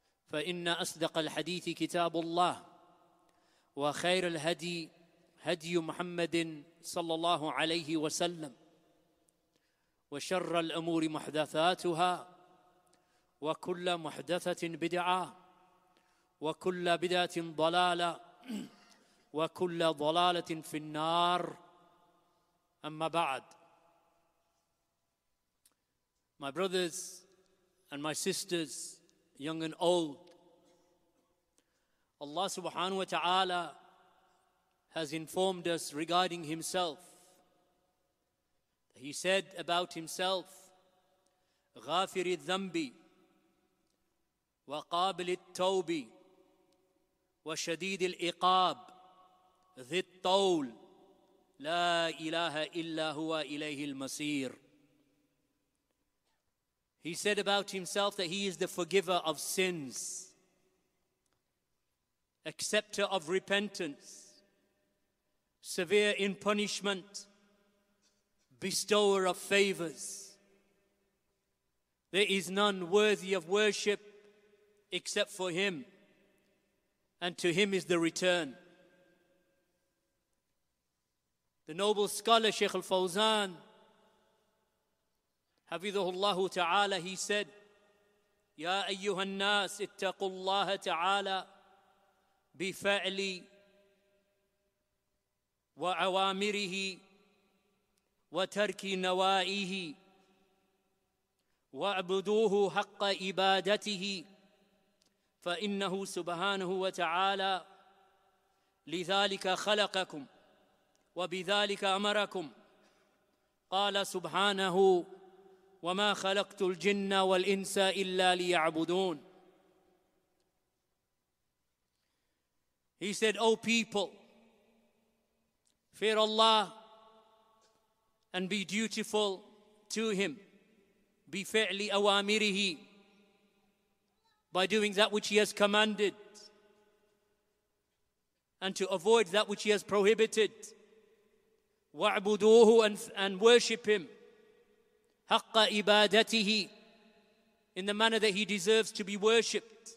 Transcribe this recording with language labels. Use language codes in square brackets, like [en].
[ar] فإن أصدق الحديث كتاب الله وخير الهدي هدي محمد صلى الله عليه وسلم وشر الأمور محدثاتها وكل محدثة بدعة وكل بدعة ضلالة وكل ضلالة في النار أما بعد. [en] My brothers and my sisters, young and old, Allah subhanahu wa ta'ala has informed us regarding Himself. He said about Himself, [ar] غافر الذنب وقابل التوب وشديد العقاب ذي الطول لا إله إلا هو إليه المصير. [en] He said about Himself that He is the forgiver of sins, acceptor of repentance, severe in punishment, bestower of favors. There is none worthy of worship except for Him, and to Him is the return. The noble scholar Sheikh Al-Fawzan, [ar] حفظه الله تعالى, [en] he said, [ar] يا أيها الناس اتقوا الله تعالى بفعل وأوامره وترك نواهيه واعبدوه حق عبادته فإنه سبحانه وتعالى لذلك خلقكم وبذلك أمركم قال سبحانه وَمَا خَلَقْتُ الْجِنَّ وَالْإِنسَ إِلَّا لِيَعْبُدُونَ. [en] He said, O people, fear Allah and be dutiful to Him, [ar] بِفِعْلِ أَوَامِرِهِ, [en] by doing that which He has commanded, and to avoid that which He has prohibited, [ar] وَعْبُدُوهُ, [en] and worship Him, [ar] حَقَّ إِبَادَتِهِ, [en] in the manner that He deserves to be worshipped.